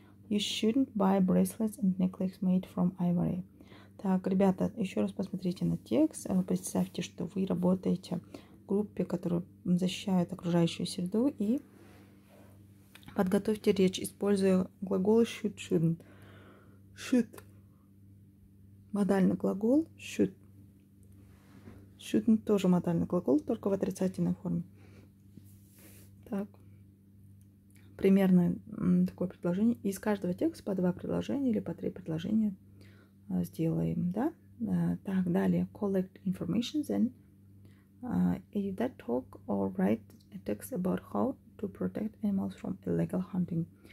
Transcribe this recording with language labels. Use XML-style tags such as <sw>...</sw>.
<en>You shouldn't buy bracelets and necklaces made from ivory.</en> <ru>Так, ребята, еще раз посмотрите на текст. Представьте, что вы работаете в группе, которая защищает окружающую среду, и подготовьте речь, используя глагол should, shouldn't. Should. Модальный глагол should. Shouldn't тоже модальный глагол, только в отрицательной форме. Так. Примерно такое предложение. Из каждого текста по два предложения или по три предложения сделаем, да? Так, далее.</ru> <en>Collect information, then. Either that talk or write a text about how to protect animals from illegal hunting.</en>